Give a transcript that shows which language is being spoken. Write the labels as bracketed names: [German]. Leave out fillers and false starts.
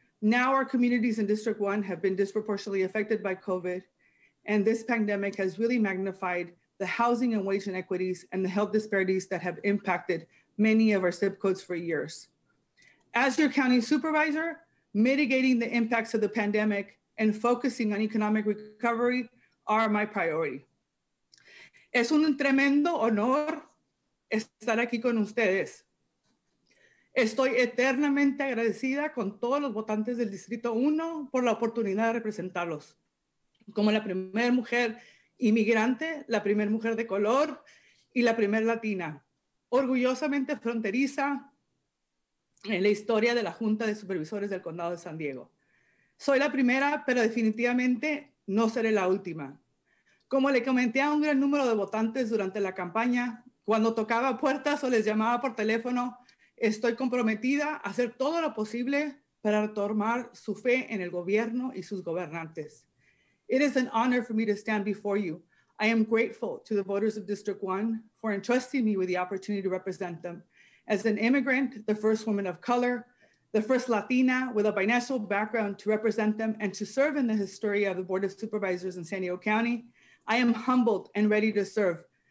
[English] Now our communities in District 1 have been disproportionately affected by COVID, and this pandemic has really magnified the housing and wage inequities and the health disparities that have impacted many of our zip codes for years. As your county supervisor, mitigating the impacts of the pandemic and focusing on economic recovery are my priority. [Spanish] Es un tremendo honor estar aquí con ustedes. Estoy eternamente agradecida con todos los votantes del Distrito 1 por la oportunidad de representarlos. Como la primera mujer inmigrante, la primera mujer de color y la primera latina, orgullosamente fronteriza en la historia de la Junta de Supervisores del Condado de San Diego. Soy la primera, pero definitivamente no seré la última. Como le comenté a un gran número de votantes durante la campaña, cuando tocaba puertas o les llamaba por teléfono, estoy comprometida a hacer todo lo posible para retomar su fe en el gobierno y sus gobernantes. [English] It is an honor for me to stand before you. I am grateful to the voters of District 1 for entrusting me with the opportunity to represent them. As an immigrant, the first woman of color, the first Latina with a binational background to represent them and to serve in the history of the Board of Supervisors in San Diego County, I am humbled and ready to serve.